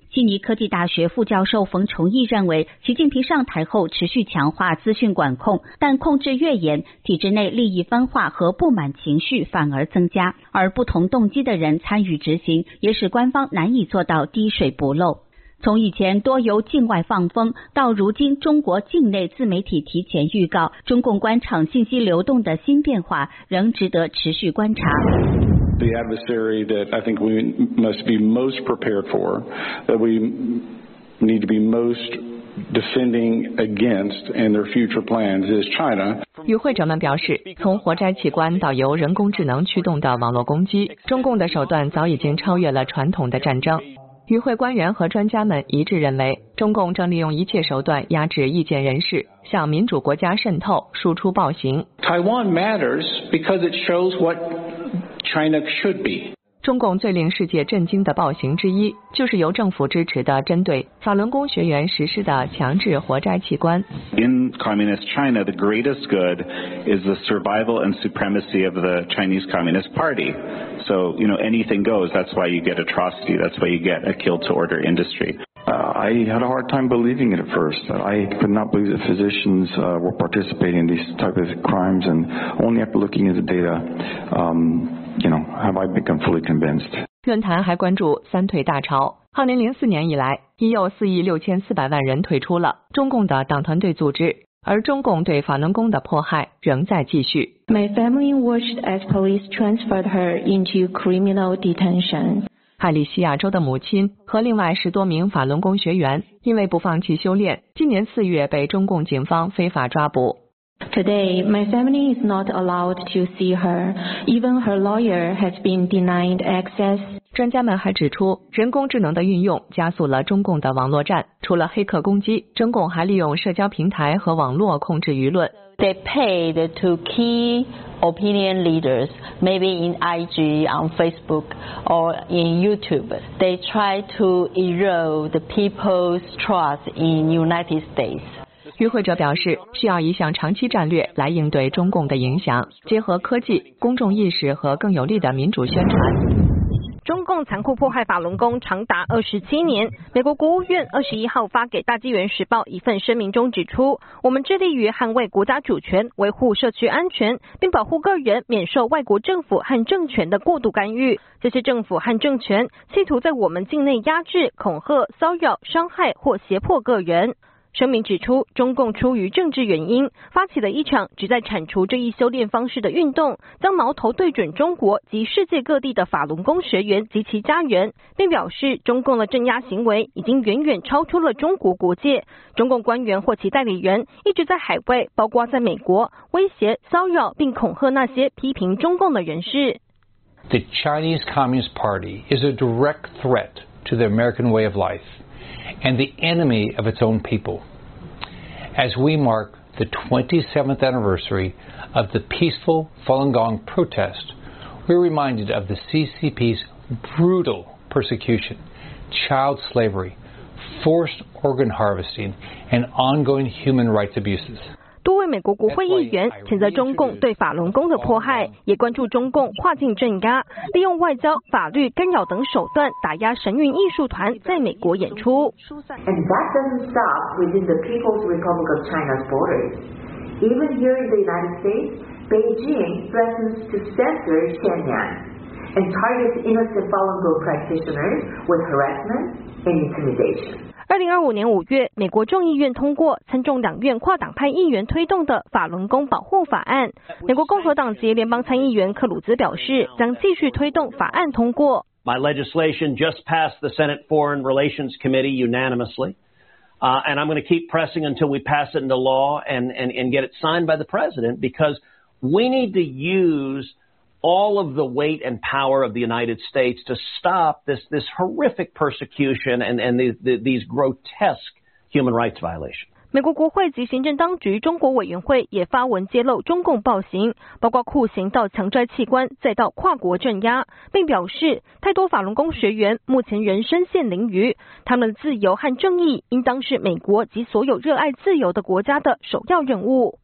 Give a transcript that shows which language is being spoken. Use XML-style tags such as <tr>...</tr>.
<zh>悉尼科技大学副教授冯崇义认为，习近平上台后持续强化资讯管控，但控制越严，体制内利益分化和不满情绪反而增加，而不同动机的人参与执行，也使官方难以做到滴水不漏。从以前多由境外放风，到如今中国境内自媒体提前预告，中共官场信息流动的新变化仍值得持续观察。</zh> <en>The adversary that I think we must be most prepared for, that we need to be most defending against in their future plans is China.</en> <zh>与会者们表示，从活摘器官到由人工智能驱动的网络攻击，中共的手段早已经超越了传统的战争。与会官员和专家们一致认为，中共正利用一切手段压制意见人士，向民主国家渗透，输出暴行。</zh> <en>Taiwan matters because it shows what China should be.</en> <zh>中共最令世界震惊的暴行之一，就是由政府支持的针对法轮功学员实施的强制活摘器官。</zh> <en>In communist China, the greatest good is the survival and supremacy of the Chinese Communist Party. So, you know, anything goes. That's why you get atrocity. That's why you get a kill-to-order industry. I had a hard time believing it at first. I could not believe that physicians were participating in these type of crimes, and only after looking at the data, have I become fully convinced.</en> <zh>论坛还关注三退大潮。 2004年以来，已有4.6亿人退出了中共的党团队组织，而中共对法轮功的迫害仍在继续。</zh> <en>My family watched as police transferred her into criminal detention.</en> <zh>艾里西亚州的母亲和另外10多名法轮功学员因为不放弃修炼，今年4月被中共警方非法抓捕。</zh> <en>Today, my family is not allowed to see her. Even her lawyer has been denied access.</en> <zh>专家们还指出，人工智能的运用加速了中共的网络战。除了黑客攻击，中共还利用社交平台和网络控制舆论。</zh> <en>They paid to key opinion leaders, maybe in IG, on Facebook, or in YouTube. They try to erode people's trust in United States.</en> <zh>与会者表示，需要一项长期战略来应对中共的影响，结合科技、公众意识和更有力的民主宣传。中共残酷迫害法轮功长达27年，美国国务院21号发给大纪元时报一份声明中指出，我们致力于捍卫国家主权，维护社区安全，并保护个人免受外国政府和政权的过度干预。这些政府和政权企图在我们境内压制、恐吓、骚扰、伤害或胁迫个人。声明指出，中共出于政治原因发起了一场旨在铲除这一修炼方式的运动，将矛头对准中国及世界各地的法轮功学员及其家人，并表示中共的镇压行为已经远远超出了中国国界。中共官员或其代理人一直在海外，包括在美国，威胁、骚扰并恐吓那些批评中共的人士。</zh> <en>The Chinese Communist Party is a direct threat to the American way of lifeAnd the enemy of its own people. As we mark the 27th anniversary of the peaceful Falun Gong protest, we're reminded of the CCP's brutal persecution, child slavery, forced organ harvesting, and ongoing human rights abuses.</en> <zh>多位美国国会议员谴责中共对法轮功的迫害，也关注中共跨境镇压，利用外交、法律干扰等手段打压神韵艺术团在美国演出。</zh> <en>And that doesn't stop within the People's Republic of China's borders. Even here in the United States, Beijing threatens to censor Xianyan and targets innocent Falun Gong practitioners with harassment and intimidation.</en> <zh>2025年5月，美国众议院通过参众两院跨党派议员推动的法轮功保护法案。美国共和党籍联邦参议员克鲁兹表示，将继续推动法案通过。</zh> <en>My legislation just passed the Senate Foreign Relations Committee unanimously, and I'm going to keep pressing until we pass it into law and get it signed by the president because we need to use all of the weight and power of the United States to stop this horrific persecution and these grotesque human rights violations.</en> <zh>美国国会及行政当局中国委员会也发文揭露中共暴行，包括酷刑到强摘器官，再到跨国镇压，并表示太多法轮功学员目前人身陷囹圄，他们的自由和正义应当是美国及所有热爱自由的国家的首要任务。</zh>